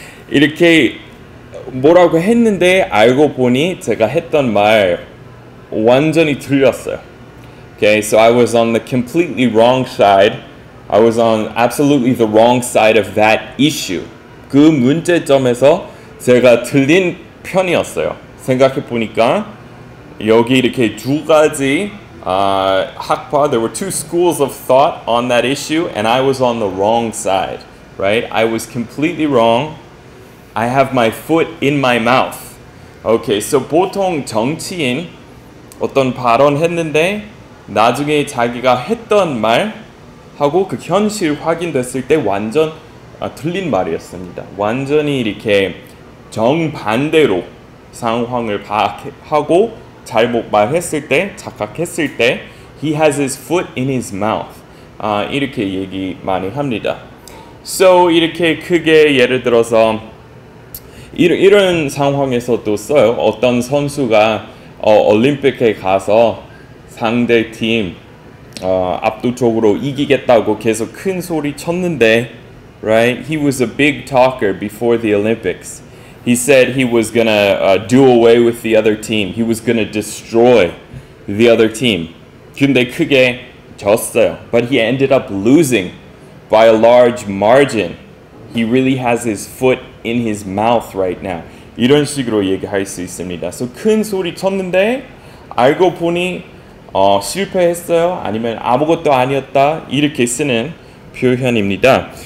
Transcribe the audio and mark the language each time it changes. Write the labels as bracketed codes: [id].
[ko] 이렇게 뭐라고 했는데 알고 보니 제가 했던 말 완전히 틀렸어요. [en] Okay, so I was on the completely wrong side. I was on absolutely the wrong side of that issue. [ko] 그 문제점에서 제가 틀린 편이었어요. 생각해 보니까 여기 이렇게 두 가지 학파, [en] there were two schools of thought on that issue and I was on the wrong side, right? I was completely wrong. I have my foot in my mouth. [ko] Okay, so 보통 정치인 어떤 발언 했는데 나중에 자기가 했던 말 하고 그 현실 확인됐을 때 완전 틀린 말이었습니다. 완전히 이렇게 정반대로 상황을 파악하고 잘못 말했을 때 착각했을 때 [en] He has his foot in his mouth. [ko] 이렇게 얘기 많이 합니다. So 이렇게 크게 예를 들어서 이런 상황에서도 써요. 어떤 선수가 올림픽에 가서 상대 팀 압도적으로 이기겠다고 계속 큰 소리 쳤는데 right? [en] He was a big talker before the Olympics. He said he was gonna do away with the other team. He was gonna destroy the other team. [ko] 근데 크게 졌어요. [en] But he ended up losing by a large margin. He really has his foot in his mouth right now. [ko] 이런 식으로 얘기할 수 있습니다. So 큰 소리 쳤는데 알고 보니 실패했어요. 아니면 아무것도 아니었다. 이렇게 쓰는 표현입니다.